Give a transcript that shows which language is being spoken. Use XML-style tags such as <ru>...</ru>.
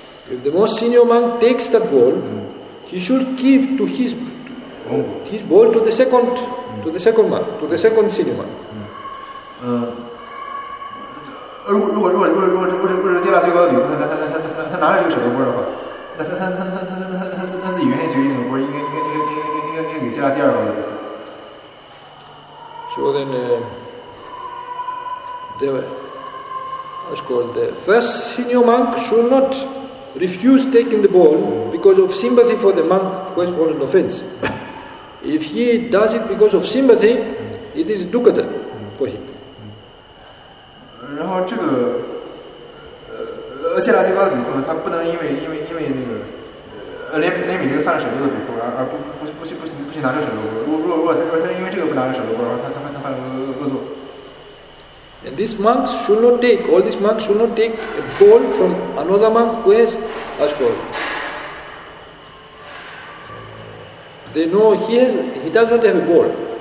<en>If the most senior monk takes that ball, he should give to his ball to the second to the second monk to the second senior monk.</en> <zh>如果接纳最高的礼物，他拿着这个舍得波的话，他自己原先决定的波应该给接纳第二高的。</zh> <en>So then, the first senior monk should not refuse taking the ball because of sympathy for the monk who has fallen offense. If he does it because of sympathy, it is dukkata for him.</en> <zh>然后这个，戒腊最高的比库呢，他不能因为那个，怜悯这个犯了舍恶的比库，而不去拿这舍恶。如果他因为这个不拿这舍恶，然后他犯了恶作。</zh> <en>And these monks should not take, all these monks should not take a bowl from another monk who has as well. They know he does not have a bowl.</en>